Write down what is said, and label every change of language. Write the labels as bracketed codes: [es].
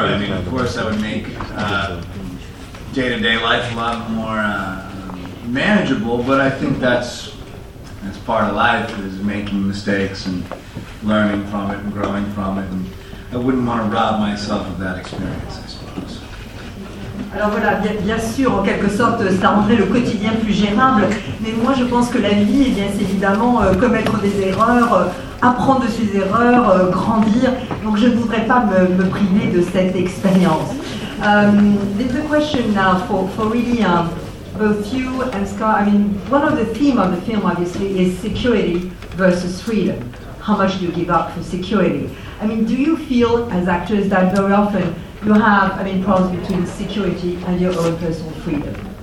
[en] I mean, of course, I would make day-to-day life a lot more manageable, but I think that's part of life, is making mistakes and learning from it and growing from it, and I wouldn't want to rob myself of that experience, I suppose. [fr] Alors voilà, bien sûr, en quelque sorte, ça rendrait le quotidien plus gérable, mais moi je pense que la vie, eh bien, c'est évidemment commettre des erreurs, apprendre de ses erreurs, grandir, donc je ne voudrais pas me priver de cette expérience. [en] There's a question now for really both you and Scott. I mean, one of the theme of the film, obviously, is security versus freedom. How much do you give up for security? I mean, do you feel as actors that very often you have, I mean, problems between security and your own personal freedom?